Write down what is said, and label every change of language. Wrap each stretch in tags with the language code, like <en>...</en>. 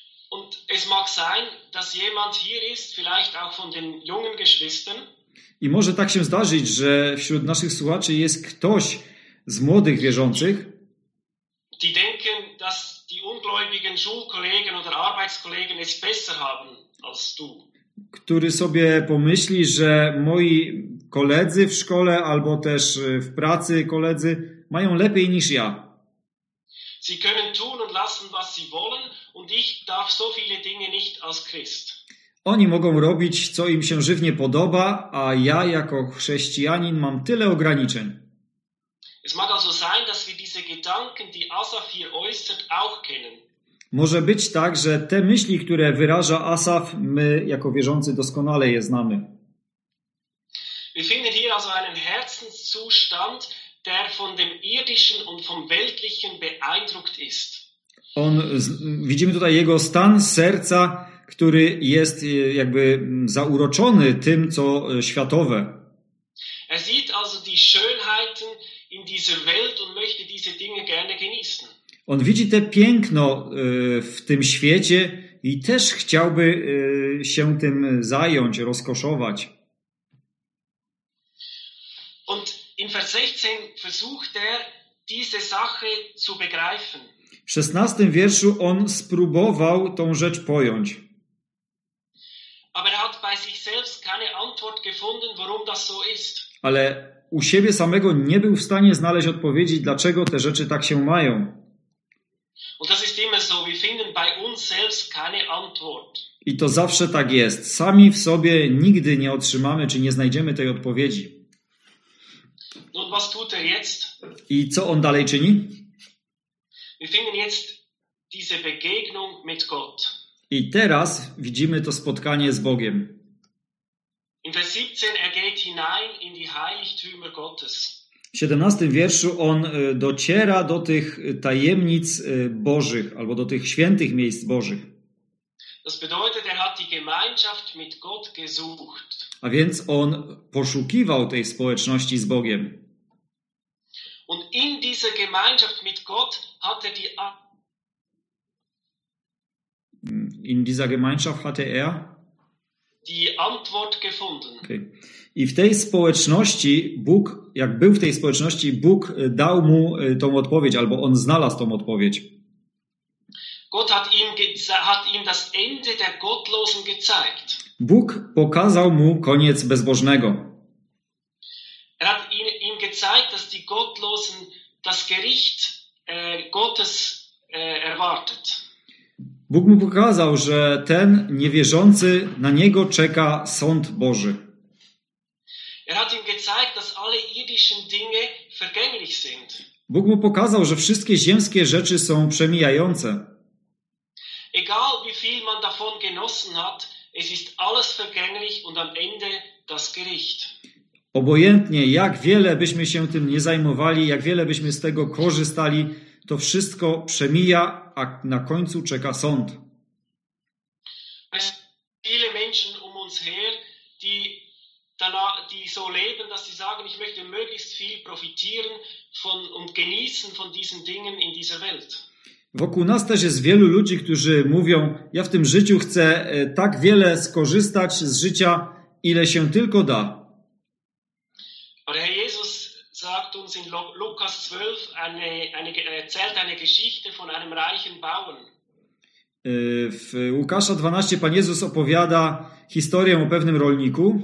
<de>Und es mag sein, dass jemand hier ist, vielleicht auch von den jungen Geschwistern.</de> <pl>I może tak się zdarzyć, że wśród naszych słuchaczy jest ktoś z młodych wierzących.</pl> <de>Die denken, dass die ungläubigen Schulkollegen oder Arbeitskollegen es besser haben als du.</de> <pl>Który sobie pomyśli, że moi koledzy w szkole albo też w pracy koledzy mają lepiej niż ja.</pl> <de>Sie können tun und lassen, was sie wollen und ich darf so viele Dinge nicht als Christ.</de> <pl>Oni mogą robić, co im się żywnie podoba, a ja jako chrześcijanin mam tyle ograniczeń.</pl> <de>Es mag also sein, dass wir diese Gedanken, die Asaf hier äußert, auch kennen.</de> <pl>Może być tak, że te myśli, które wyraża Asaf, my jako wierzący doskonale je znamy.</pl> <de>Wir finden hier also einen Herzenszustand, der von dem irdischen und vom weltlichen beeindruckt ist.</de> <pl>On, widzimy tutaj jego stan serca, który jest jakby zauroczony tym, co światowe.</pl> <de>Er sieht also die Schönheiten in dieser Welt und möchte diese Dinge gerne genießen.</de> <pl>On widzi te piękno w tym świecie i też chciałby się tym zająć, rozkoszować.</pl> <de>Und in Vers 16 versucht er diese Sache zu begreifen.</de> <pl>W 16 wierszu on spróbował tą rzecz pojąć.</pl> <de>Aber er hat bei sich selbst keine Antwort gefunden, warum das so ist.</de> <pl>Ale u siebie samego nie był w stanie znaleźć odpowiedzi, dlaczego te rzeczy tak się mają.</pl> <de>Und das ist immer so, wir finden bei uns selbst keine Antwort.</de> <pl>I to zawsze tak jest. Sami w sobie nigdy nie otrzymamy, czy nie znajdziemy tej odpowiedzi.</pl> <de>Nun, was tut er jetzt?</de> <pl>I co on dalej czyni?</pl> <de>Wir finden jetzt diese Begegnung mit Gott.</de> <pl>I teraz widzimy to spotkanie z Bogiem.</pl> <de>In Vers 17 er geht hinein in die Heiligtümer Gottes.</de> <pl>W 17 wierszu on dociera do tych tajemnic Bożych albo do tych świętych miejsc Bożych.</pl> <de>Das bedeutet, er hat die Gemeinschaft mit Gott gesucht.</de> <pl>A więc on poszukiwał tej społeczności z Bogiem.</pl> <de>Und in dieser Gemeinschaft mit Gott hatte die In dieser Gemeinschaft hatte er die Antwort gefunden. Okay.</de> <pl>I w tej społeczności Bóg, jak był w tej społeczności, Bóg dał mu tą odpowiedź, albo on znalazł tą odpowiedź.</pl> <de>Gott hat ihm das Ende der Gottlosen gezeigt.</de> <pl>Bóg pokazał mu koniec bezbożnego.</pl> <de>Er hat ihm gezeigt, dass die Gottlosen das Gericht Gottes erwartet.</de> <pl>Bóg mu pokazał, że ten niewierzący na niego czeka sąd Boży.</pl> <de>Er hat ihm gezeigt, dass alle irdischen Dinge vergänglich sind.</de> <pl>Bóg mu pokazał, że wszystkie ziemskie rzeczy są przemijające.</pl> <de>Egal wie viel man davon genossen hat, es ist alles vergänglich und am Ende das Gericht.</de> <pl>Obojętnie jak wiele byśmy się tym nie zajmowali, jak wiele byśmy z tego korzystali, to wszystko przemija, a na końcu czeka sąd.</pl> <de>Viele Menschen um uns her, die so leben, dass sie sagen, ich möchte möglichst viel profitieren von und genießen von diesen Dingen in dieser Welt.</de> <pl>Wokół nas też jest wielu ludzi, którzy mówią, ja w tym życiu chcę tak wiele skorzystać z życia, ile się tylko da.</pl> <de>Ale Jezus sagt uns in Lukas 12 erzählt eine Geschichte von einem reichen Bauern.</de> <pl>W Łukasza 12 Pan Jezus opowiada historię o pewnym rolniku.</pl>